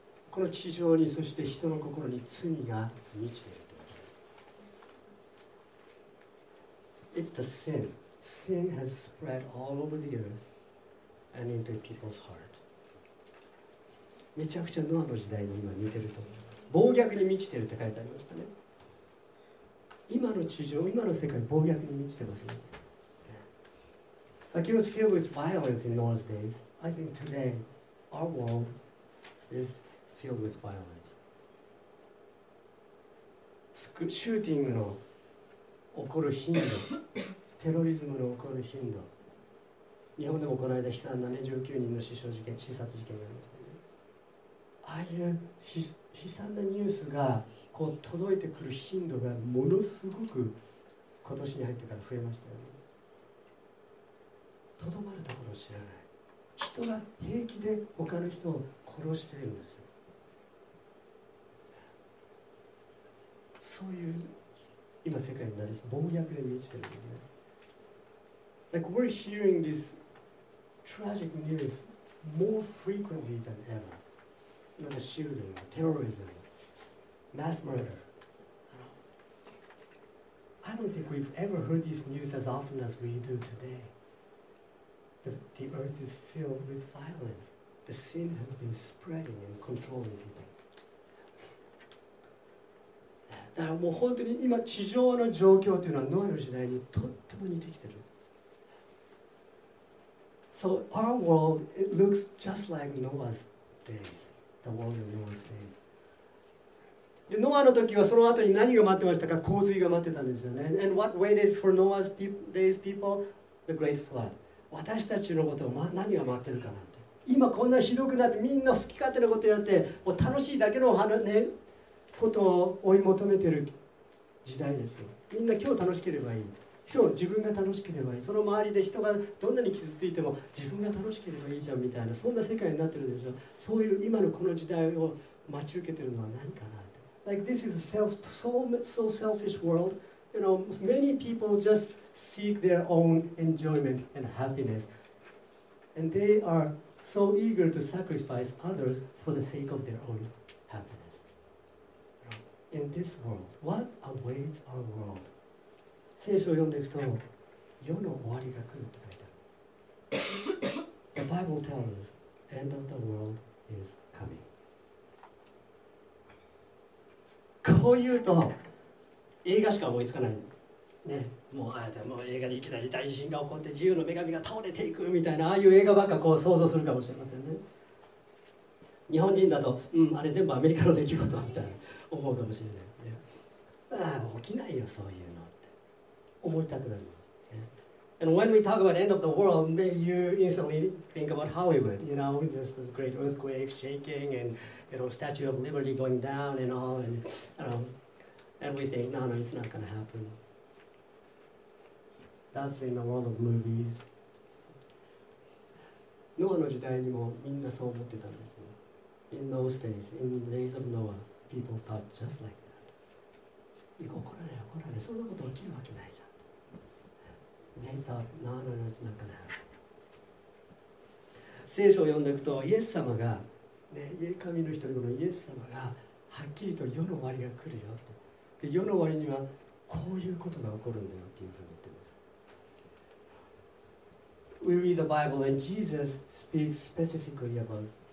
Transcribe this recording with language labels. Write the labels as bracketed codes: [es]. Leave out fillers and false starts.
[ja] この地上に、そして人の心に罪が満ちているってことです。 [en] It's the sin. Sin has spread all over the earth and into people's heart. [ja] めちゃくちゃノアの時代に今似てると思います。暴虐に満ちてるって書いてありましたね。今の地上、今の世界、暴虐に満ちてますね。 [en] Like it was filled with violence in Noah's days. I think today, our world is filled with violence. [ja] シューティングの起こる頻度。テロリズムの起こる頻度、日本でもこの間悲惨な、ね、19人の死傷事件、刺殺事件がありましたね。ああいう悲惨なニュースがこう届いてくる頻度がものすごく今年に入ってから増えましたよね。とどまるところを知らない。人が平気で他の人を殺しているんですよ。そういう今世界になりそう、暴虐で満ちてるんですね。 [en] Like we're hearing this tragic news more frequently than ever. You know, the shooting, the terrorism, mass murder. I don't think we've ever heard this news as often as we do today. The earth is filled with violence. The sin has been spreading and controlling people. [ja] だからもう本当に今地上の状況というのはノアの時代にとっても似てきてる。 [en] So our world, it looks just like Noah's days, the world of Noah's days. [ja] でノアの時はその後に何が待ってましたか？洪水が待ってたんですよね。 [en] And what waited for Noah's days people? The great flood. [ja] 私たちのことは何が待ってるかなって。今こんなひどくなってみんな好き勝手なことやってもう楽しいだけの話ね。ことを追い求めてる時代ですよ。みんな今日楽しければいい。今日自分が楽しければいい。その周りで人がどんなに傷ついても自分が楽しければいいじゃんみたいな、そんな世界になってるでしょ。そういう今のこの時代を待ち受けてるのは何かなって。 [en] Like this is a so selfish world. You know, many people just seek their own enjoyment and happiness. And they are so eager to sacrifice others for the sake of their own happiness. In this world, what awaits our world? [ja] 聖書を読んでいくと、世の終わりが来るって書いてある。 [en] The Bible tells us, the end of the world is coming. [ja] こう言うと、映画しか思いつかない。ね、もうああやって映画でいきなり大地震が起こって自由の女神が倒れていくみたいな、ああいう映画ばっかこう想像するかもしれませんね。日本人だと、うん、あれ全部アメリカの出来事みたいな。思うかもしれない、ね、ああ起きないよそういうのって思いたくなります、ね、 [en] And when we talk about end of the world maybe you instantly think about Hollywood you know just the great earthquake shaking and you know Statue of Liberty going down and all and you know and we think no it's not gonna happen that's in the world of movies [ja] Noah の時代にもみんなそう思ってたんですよ [en] in those days in the days of Noah People thought just like that. [ja] 怒らない、怒らない。そんなこと起きるわけないじゃん。 [en] They thought, no, it's not gonna happen. [ja] 聖書を読んでいくと、イエス様が、ね、神の一人のイエス様が、はっきりと世の終わりが来るよと。で、世の終わりには、こういうことが起こるんだよっていうふうに言ってます。 [en] We read the Bible and Jesus speaks specifically about